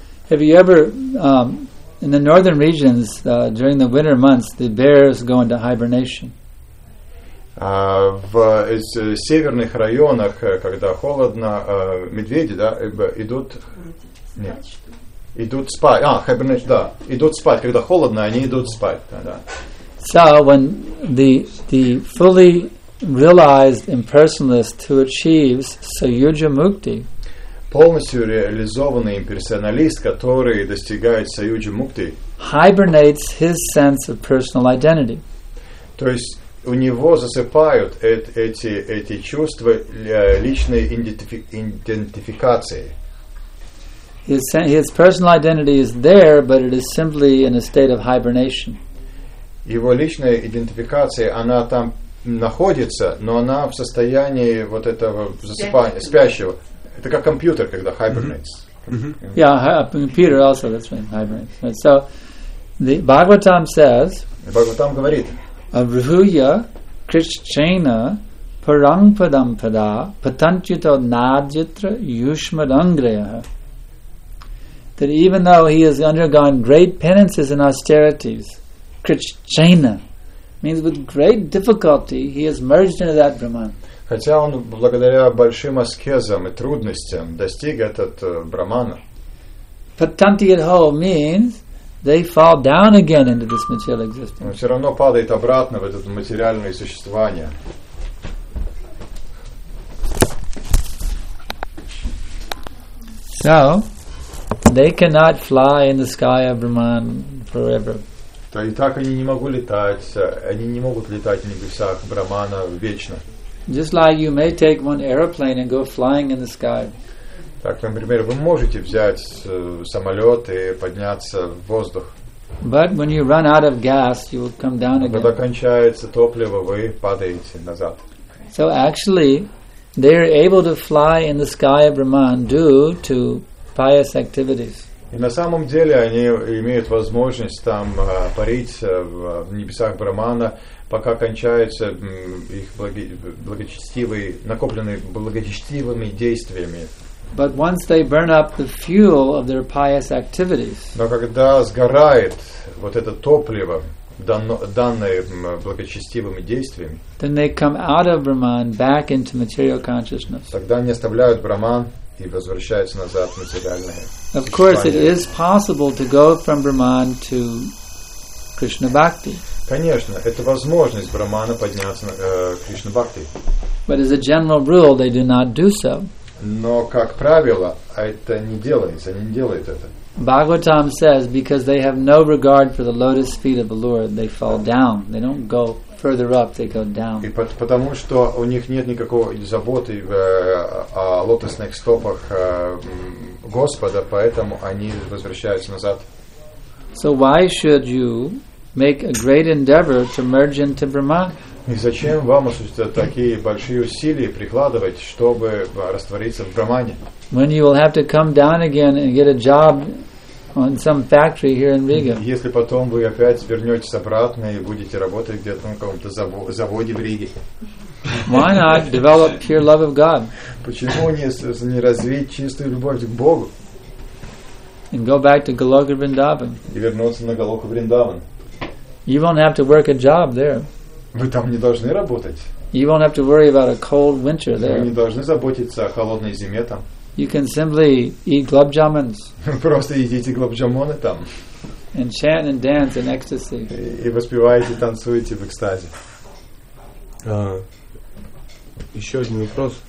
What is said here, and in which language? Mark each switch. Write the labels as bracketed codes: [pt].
[en] Have you ever in the northern regions during the winter months the bears go into hibernation? [ru] В из северных районах, когда холодно, медведи, да, идут. Нет. Идут спать. Hibernation, да. Идут спать, когда холодно, они идут спать, да. [en] So when the fully realized impersonalist who achieves Sayuja Mukti, [ru] полностью реализованный имперсоналист, который достигает Sayuja Mukti, [en] hibernates his sense of personal identity. [ru] То есть у него засыпают эти чувства личной идентификации. [en] His personal identity is there, but it is simply in a state of hibernation. [ru] Его личная идентификация, она там находится, но она в состоянии вот этого засыпания, спящего. Это как компьютер, когда hibernates. [en] Yeah, a computer also, that's right, hibernates. Right. So, the Bhagavatam says, [ru] Bhagavatam говорит, [sa] Avruhya krishchena parangpadam pada patantyuto nadyatra yushmadangraya, [en] that even though he has undergone great penances and austerities, Krishchena means with great difficulty he has merged into that Brahman. [ru] Хотя он благодаря большим аскезам и трудностям достиг этот Брахмана. [en] Patanti at home means they fall down again into this material existence. [ru] Он все равно падает обратно в это материальное существование. [en] So they cannot fly in the sky of Brahman forever. [ru] То и так они не могут летать, в небесах Брахмана вечно. [en] Just like you may take one airplane and go flying in the sky. [ru] Так, например, вы можете взять самолет и подняться в воздух. [en] But when you run out of gas, you will come down again. [ru] Когда кончается топливо, вы падаете назад. [en] So actually, they are able to fly in the sky of Brahman due to pious activities. [ru] И на самом деле они имеют возможность там парить в небесах Брахмана, пока кончаются их благочестивые, накопленные благочестивыми действиями. [en] But once they burn up the fuel of their pious activities, [ru] но когда сгорает вот это топливо данные благочестивыми действиями, [en] then they come out of Brahman back into material consciousness. [ru] Тогда они оставляют Брахман и возвращаются назад в материальное состояние. [en] Of course, it is possible to go from Brahman to Krishna Bhakti. [ru] Конечно, это возможность Брахмана подняться на Кришна Бхакти. [en] But as a general rule, they do not do so. [ru] Но как правило, это не делается, они не делают это. [en] Bhagavatam says, because they have no regard for the lotus feet of the Lord, they fall down. They don't go further up, they go down. [ru] И потому что у них нет никакой заботы о лотосных стопах Господа, поэтому они возвращаются назад. [en] So why should you make a great endeavor to merge into Brahman? [ru] И зачем вам осуществлять такие большие усилия прикладывать, чтобы раствориться в Брахмане? [en] When you will have to come down again and get a job on some factory here in Riga. [ru] Если потом вы опять вернётесь обратно и будете работать где-то на каком-то заводе в Риге. [en] Why not develop pure love of God? [ru] Почему не развить чистую любовь к Богу? [en] And go back to Goloka Vrindavan. [ru] И вернуться на Голоку Вриндаван. [en] You won't have to work a job there. [ru] Вы там не должны работать. [en] You won't have to worry about a cold winter there. [ru] Вы не должны заботиться о холодной зиме там. [en] You can simply eat gulab jamuns. [ru] Просто едите gulab jamuns там. [en] And chant and dance in ecstasy. [ru] И воспеваете, танцуете в экстазе. Еще один вопрос.